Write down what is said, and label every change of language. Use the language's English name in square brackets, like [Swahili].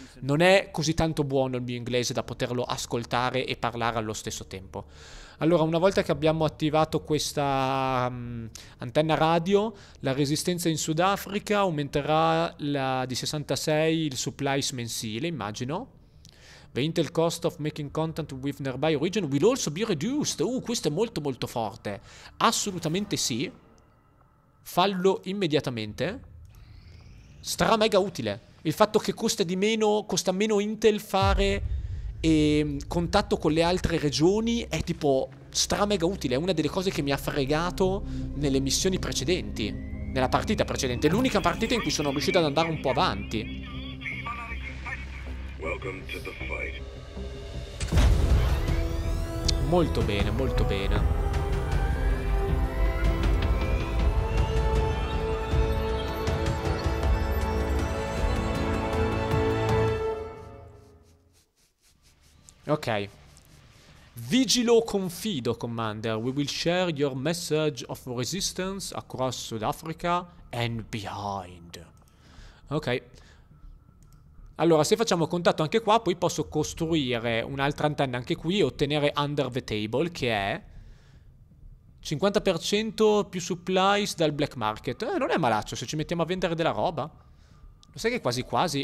[Italian] Non è così tanto buono il mio inglese da poterlo ascoltare e parlare allo stesso tempo. Allora, una volta che abbiamo attivato questa antenna radio, la resistenza in Sudafrica aumenterà di 66 il supplies mensile, immagino. [English] 20 il cost of making contact with nearby region will also be reduced. [Italian] Questo è molto molto forte. Assolutamente sì. Fallo immediatamente. Stra mega utile. Il fatto che costa meno Intel fare contatto con le altre regioni è tipo... stra mega utile, è una delle cose che mi ha fregato nelle missioni precedenti, nella partita precedente, l'unica partita in cui sono riuscito ad andare un po' avanti. Molto bene, molto bene. [English] Ok. Vigilo confido, Commander. We will share your message of resistance across South Africa and beyond. Ok. [Italian] Allora, se facciamo contatto anche qua, poi posso costruire un'altra antenna anche qui e ottenere Under the Table, che è 50% più supplies dal black market. Non è malaccio se ci mettiamo a vendere della roba. Lo sai che quasi quasi.